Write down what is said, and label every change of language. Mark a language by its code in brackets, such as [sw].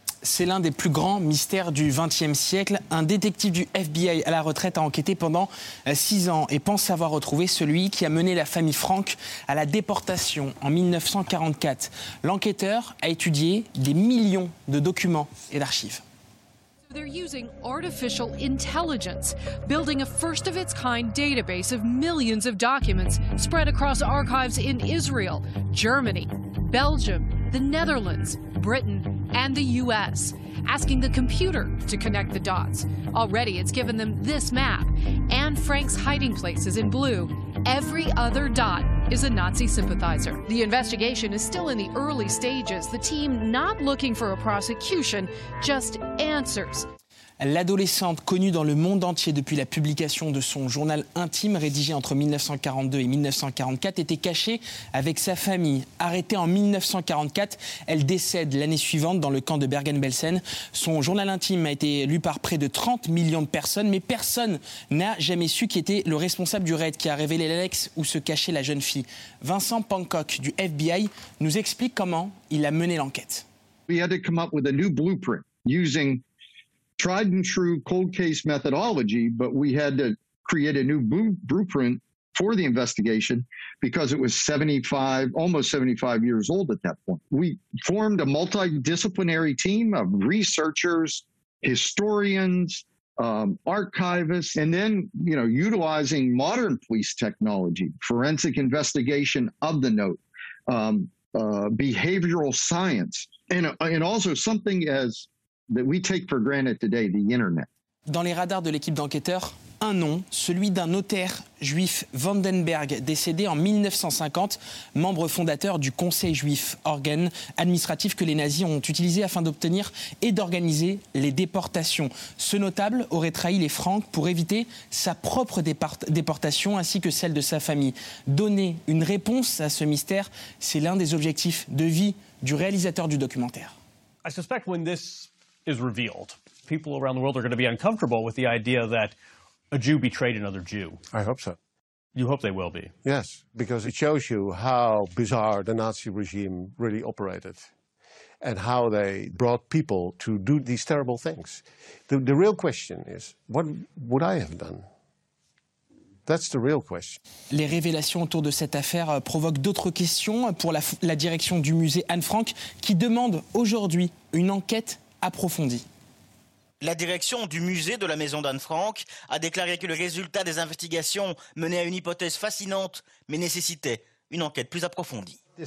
[fr] c'est l'un des plus grands mystères du XXe siècle. Un détective du FBI à la retraite a enquêté pendant 6 ans et pense avoir retrouvé celui qui a mené la famille Frank à la déportation en 1944. L'enquêteur a étudié des millions de documents et d'archives. [en] They're using artificial intelligence, building a first-of-its-kind database of millions of documents spread across archives in Israel, Germany, Belgium, the Netherlands, Britain, and the U.S., asking the computer to connect the dots. Already, it's given them this map. Anne Frank's hiding place is in blue. Every other dot is a Nazi sympathizer. The investigation is still in the early stages. The team not looking for a prosecution, just answers. [fr] L'adolescente, connue dans le monde entier depuis la publication de son journal intime rédigé entre 1942 et 1944, était cachée avec sa famille. Arrêtée en 1944, elle décède l'année suivante dans le camp de Bergen-Belsen. Son journal intime a été lu par près de 30 millions de personnes, mais personne n'a jamais su qui était le responsable du raid qui a révélé l'annexe où se cachait la jeune fille. Vincent Pancock du FBI nous explique comment il a mené l'enquête. [en] We had to come up with a new blueprint using tried and true cold case methodology, but we had to create a new blueprint for the investigation because it was almost 75 years old at that point. We formed a multidisciplinary team of researchers, historians, archivists, and then, you know, utilizing modern police technology, forensic investigation of the note, behavioral science, and also something as that we take for granted today, the internet. [fr] Dans les radars de l'équipe d'enquêteurs, un nom, celui d'un notaire juif Vandenberg, décédé en 1950, membre fondateur du Conseil juif, organe administratif que les nazis ont utilisé afin d'obtenir et d'organiser les déportations. Ce notable aurait trahi les Francs pour éviter sa propre déportation ainsi que celle de sa famille. Donner une réponse à ce mystère, c'est l'un des objectifs de vie du réalisateur du documentaire. [en] I suspect when this is revealed, people around the world are going to be uncomfortable with the idea that a Jew betrayed another Jew. I hope so. You hope they will be? Yes, because it shows you how bizarre the Nazi regime really operated and how they brought people to do these terrible things. The real question is, what would I have done? That's the real question. [fr] Les révélations autour de cette affaire provoquent d'autres questions pour la direction du musée Anne Frank qui demande aujourd'hui une enquête approfondie. La direction du musée de la maison d'Anne Frank a déclaré que le résultat des investigations menait à une hypothèse fascinante, mais nécessitait une enquête plus approfondie.